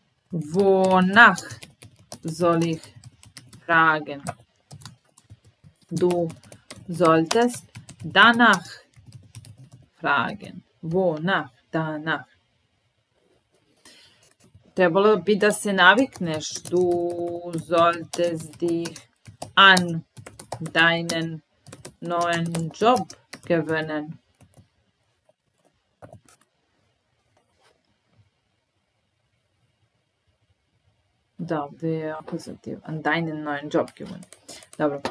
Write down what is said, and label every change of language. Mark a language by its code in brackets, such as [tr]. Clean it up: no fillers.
[de] Wonach soll ich fragen? Du solltest danach fragen. Wonach, danach. [sr] Trebalo bi da se navikneš. [de] Du solltest dich an deinen neuen Job gewinnen. Da, der Akkusativ. An deinen neuen Job gewinnen. [sr] Dobro.